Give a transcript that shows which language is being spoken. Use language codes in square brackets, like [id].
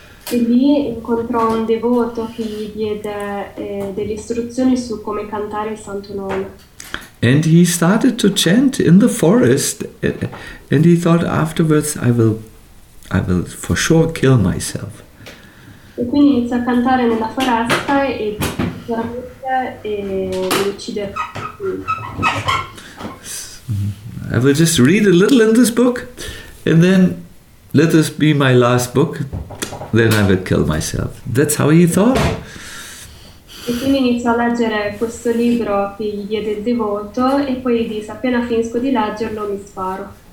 [it] E lì incontrò un devoto che gli diede delle istruzioni su come cantare il Santo Nome. [en] And he started to chant in the forest, and he thought afterwards, I will for sure kill myself. [it] E quindi iniziò a cantare nella foresta e sicuramente mi uccide. [en] I will just read a little in this book, and then let this be my last book, then I will kill myself. That's how he thought. [it] E quindi iniziò a leggere questo libro che gli diede il devoto, e poi disse, appena finisco di leggerlo, mi sparo.